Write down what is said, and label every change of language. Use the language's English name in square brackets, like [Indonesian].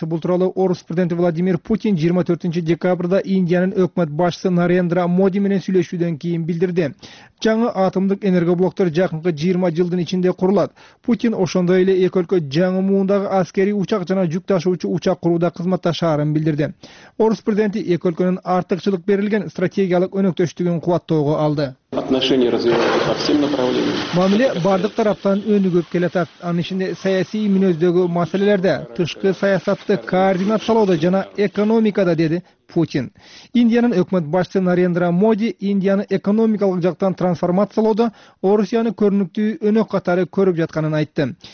[Kyrgyz] Бул тууралуу орус президенти Владимир Путин 24 декабрда Индиянын өкмөт башчысы Нарендра Моди менен сүйлөшүүдөн кийин билдирди. Жаңы атомдук энергоблоктор жакынкы 20 жылдын ичинде курулат. Путин ошондой эле эки өлкө жаңы муундагы аскерий учак жана жүк ташуучу учак курууда кызматташаарын билдирди. Орус президенти эки өлкөнүн артыкчылык берилген стратегиялык өнөктөштүгүн кубаттоого алды. [Russian] Отношения развиваются по всем направлениям. [Kyrgyz] Мамиле бардык тараптан өнүгүп келатат. Анын ичинде саясий мүнөздөгү маселелерде, тышкы саясатты координациялоодо жана экономикада, деди Путин. Индиянын өкмөт башчы Нарендра Моди Индияны экономикалык жактан трансформациялоодо Орусияны көрүнүктүү өнөк катары көрүп жатканын айтты.